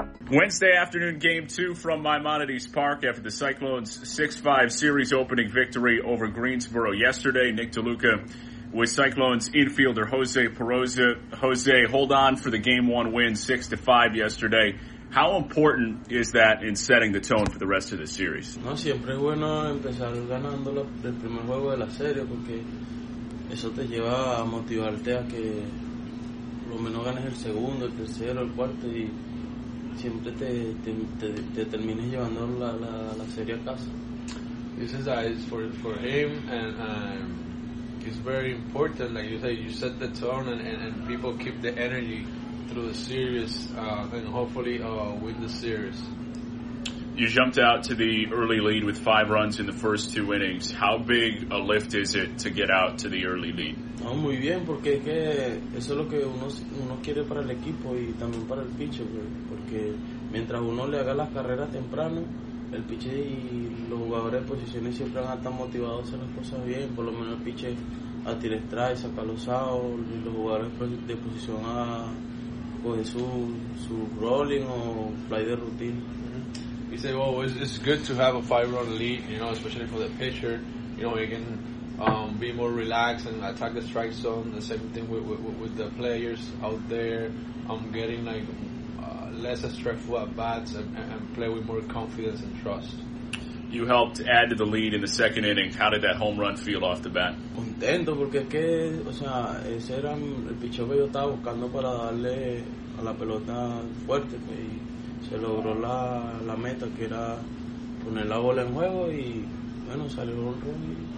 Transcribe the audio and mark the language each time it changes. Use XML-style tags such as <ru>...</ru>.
<en>Wednesday afternoon, game two from Maimonides Park after the Cyclones' 6-5 series opening victory over Greensboro yesterday. Nick DeLuca with Cyclones infielder Jose Peroza. Jose, hold on for the game one win 6-5 yesterday. How important is that in setting the tone for the rest of the series?</en> <es>No, siempre es bueno empezar ganando el primer juego de la serie porque eso te lleva a motivarte a que por lo menos ganes el segundo, el tercero, el cuarto y siempre te termines llevando la serie a casa.</es> <en>This is for him, and it's very important. Like you said, you set the tone, and people keep the energy through the series, and hopefully win the series. You jumped out to the early lead with 5 runs in the first 2 innings. How big a lift is it to get out to the early lead?</en> <es>No, muy bien, porque es que eso es lo que uno quiere para el equipo y también para el pitcher, porque mientras uno le haga las carreras temprano, el pitcher y los jugadores de posiciones siempre van a estar motivados a hacer las cosas bien, por lo menos el pitcher a tirar strike, sacar los outs, y los jugadores de posición a coger su rolling o fly de routine.</es> <en>He said, well, it's good to have a 5-run lead, you know, especially for the pitcher. You know, he can be more relaxed and attack the strike zone. The same thing with the players out there. Getting, like, less stressful at-bats and play with more confidence and trust. You helped add to the lead in the second inning. How did that home run feel off the bat?</en> <es>Contento, porque es que, o sea, ese era el picheo que yo estaba buscando para darle a la pelota fuerte, y se logró la meta, que era poner la bola en juego, y bueno, salió un run.</es>